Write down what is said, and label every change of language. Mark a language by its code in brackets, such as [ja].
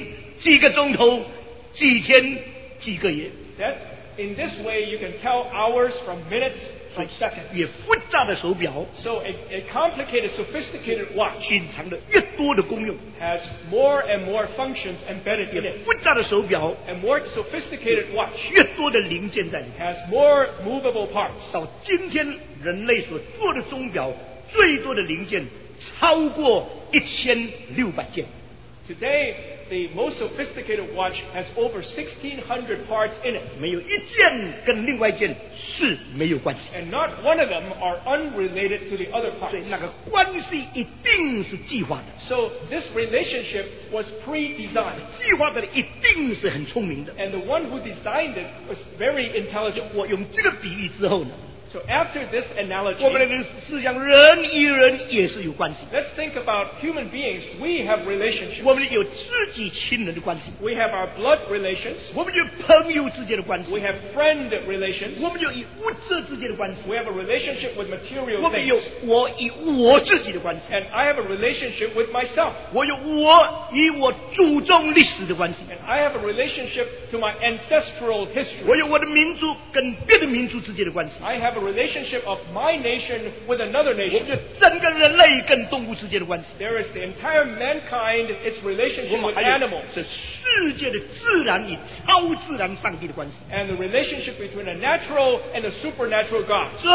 [zh] 所以你知道这里就可以告诉你几分、几秒、几点、几个钟头、几天、几个月。 [en] That in this way you can tell hours from minutes from seconds. [zh] 也复杂的手表, [en] so a complicated, sophisticated watch [zh] 隐藏了越多的功用, [en] has more and more functions embedded in it. [zh] 也复杂的手表, [en] a more sophisticated watch [zh] 越多的零件在里面, [en] has more movable parts. [zh] 到今天人类所做的钟表最多的零件超过1600件。 [en] Today, the most sophisticated watch has over 1,600 parts in it. [zh] 没有一件跟另外一件是没有关系。 [en] And not one of them are unrelated to the other parts. [zh] 所以那个关系一定是计划的。 [en] So this relationship was pre-designed. [zh] 计划的一定是很聪明的。 [en] And the one who designed it was very intelligent. [zh] 我用这个比喻之后呢, [en] so after this analogy, [zh] 我们来试想人与人也是有关系。 [en] Let's think about human beings. We have relationships. [zh] 我们有自己亲人的关系。 [en] We have our blood relations. [zh] 我们有朋友之间的关系。 [en] We have friend relations. [zh] 我们有以物质之间的关系。 [en] We have a relationship with material things. [zh] 我们有我与我自己的关系。 [en] And I have a relationship with myself. [zh] 我有我与我祖宗历史的关系。 [en] And I have a relationship to my ancestral history. [zh] 我有我的民族跟别的民族之间的关系。 [en] I have a relationship of my nation with another nation. There is the entire mankind, its relationship with animals. And the relationship between a natural and a supernatural God.